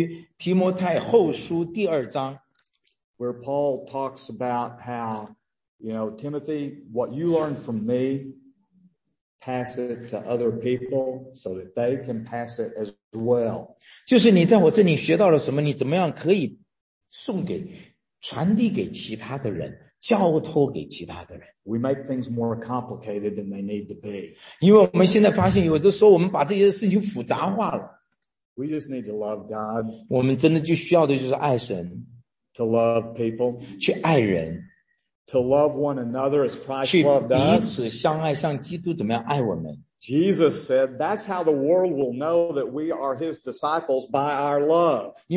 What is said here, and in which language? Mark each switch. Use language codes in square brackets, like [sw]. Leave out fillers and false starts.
[zh] 因为我们真的对于提摩太后书第二章, [en] where Paul talks about how, you know, Timothy, what you learn from me, pass it to other people so that they can pass it as well. [zh] 就是你在我这里学到了什么, 你怎么样可以送给,传递给其他的人, 交托给其他的人。 [en] We make things more complicated than they need to be. [zh] 因为我们现在发现有的时候我们把这些事情复杂化了。 [en] We just need to love God. [zh] 我们真的就需要的就是爱神。 [en] To love people. [zh] 去爱人。 [en] To love one another as Christ loved us. [zh] 去彼此相爱，像基督怎么样爱我们。 [en] Jesus said, that's how the world will know that we are his disciples, by our love.